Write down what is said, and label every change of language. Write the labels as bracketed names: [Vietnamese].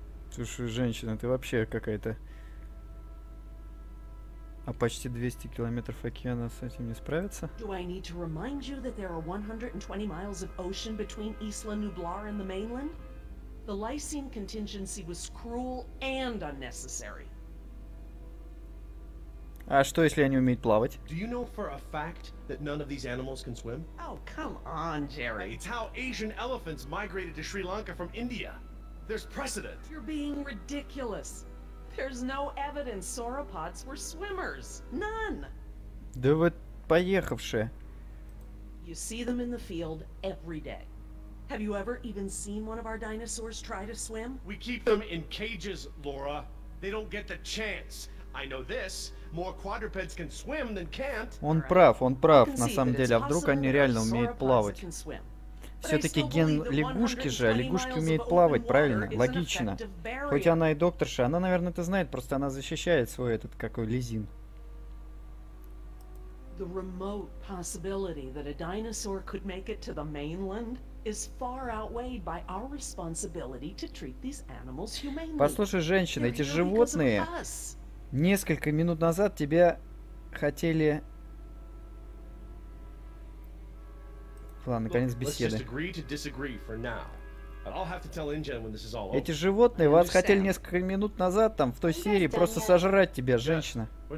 [Russian] Слушай, женщина, ты вообще какая-то. А почти 200 километров океана с этим не справится? [English] Do I need to remind you that there are 120 miles of ocean between Isla Nublar and the mainland? The lysine contingency was cruel and unnecessary. [Russian] А что, если они умеют плавать? [English] Do you know for a fact that none of these animals can swim? Oh, come on, Jerry. It's how Asian elephants migrated to Sri Lanka from India. There's precedent. You're being ridiculous. There's no evidence sauropods were swimmers. None. [Russian] Да вот поехавшие. [English] You see them in the field every day. Have you ever even seen one of our dinosaurs try to swim? We keep them in cages, Laura. They don't get the chance. I know this. More quadrupeds can swim than can't. [Russian] Он прав, на самом деле. А вдруг они реально умеют плавать? Все-таки ген лягушки же, а лягушки умеют плавать, правильно? Логично. Хоть она и докторша, она, наверное, это знает, просто она защищает свой этот, какой, лизин. [English] The remote possibility that a dinosaur could make it to the mainland is far outweighed by our responsibility to treat these animals humanely. [Russian] Послушай, женщина, эти животные, Несколько минут назад тебя хотели... Ладно, наконец беседы. Эти животные вас хотели несколько минут назад, там, в той серии, просто сожрать тебя, женщина.